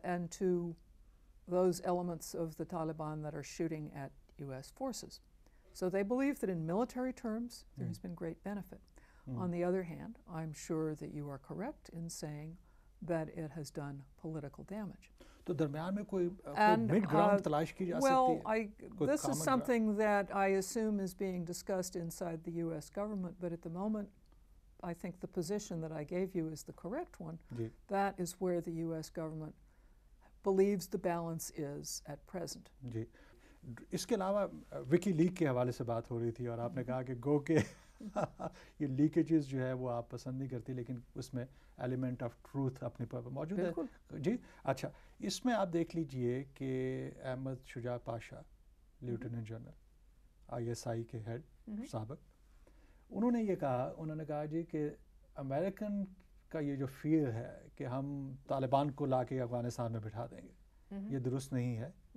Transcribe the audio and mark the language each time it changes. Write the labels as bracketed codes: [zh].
[en] And to those elements of the Taliban that are shooting at U.S. forces. So they believe that in military terms, there has been great benefit. Mm. On the other hand, I'm sure that you are correct in saying that it has done political damage. [ur] تو درمیان میں کوئی mid ground تلاش کی جا سکتی ہے؟ [en] Well, this is something that I assume is being discussed inside the U.S. government, but at the moment, I think the position that I gave you is the correct one. [ur] جی. [en] That is where the US government believes the balance is at present. [ur] جی, اس کے علاوہ وکی leak کے حوالے سے بات ہو رہی تھی اور آپ نے کہا کہ گو کے یہ لیکیجز جو ہے وہ آپ پسند نہیں کرتی, لیکن اس میں ایلیمنٹ آف ٹروتھ اپنے پر موجود ہے. جی اچھا, اس میں آپ دیکھ لیجئے کہ احمد شجاع Pasha, lieutenant general I S I کے ہیڈ سابق, انہوں نے یہ کہا, انہوں نے کہا جی کہ امریکن کا یہ جو فیئر ہے کہ ہم طالبان کو لا کے افغانستان میں بٹھا دیں گے, یہ درست نہیں ہے.